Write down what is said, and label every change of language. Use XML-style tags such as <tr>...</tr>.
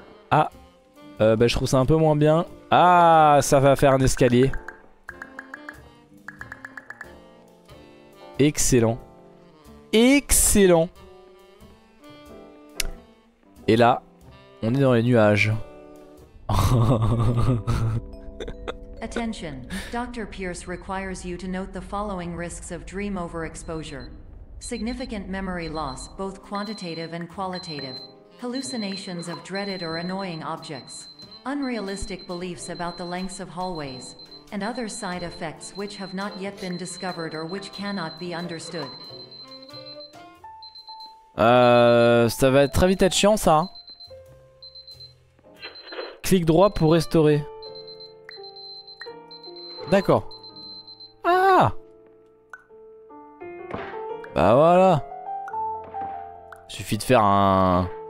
<fr>Ah, bah je trouve ça un peu moins bien. Ah, ça va faire un escalier. Excellent. Excellent. Et là, on est dans les nuages.</fr> <en>Attention, Dr. Pierce requires you to note the following risks of dream overexposure. Significant memory loss, both quantitative and qualitative. Hallucinations of dreaded or annoying objects. Unrealistic beliefs about the lengths of hallways. And other side effects which have not yet been discovered or which cannot be understood.</en> <fr>Ça va être très vite être chiant, ça. Clic droit pour restaurer. D'accord. Ah! Bah voilà. Suffit de faire un...</fr>